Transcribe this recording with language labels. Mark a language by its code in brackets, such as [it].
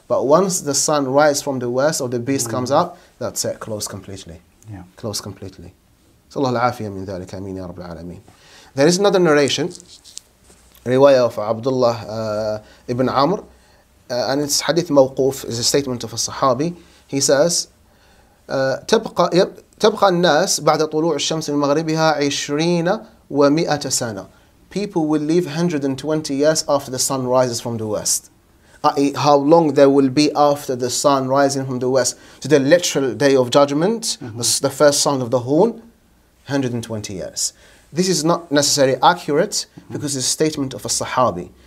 [en] But once the sun rises from the west or the beast comes up, that's it, close completely. Yeah. Close completely. So [ar] Allah al-afiyah min dhalik, ameen ya rabbil alameen. [en] There is another narration, riwayah of Abdullah ibn Amr, and it's hadith mawquf, is a statement of a sahabi. He says, [ar] تَبْقَى النَّاسِ بَعْدَ طُلُوعِ الشَّمْسِ مِنْ مَغْرِبِهَا عِشْرِينَ وَمِئَةَ سَنَةً. [en] People will live 120 years after the sun rises from the west. How long they will be after the sun rising from the west to the literal day of judgment, the first sound of the horn, 120 years. This is not necessarily accurate because it's a statement of a sahabi.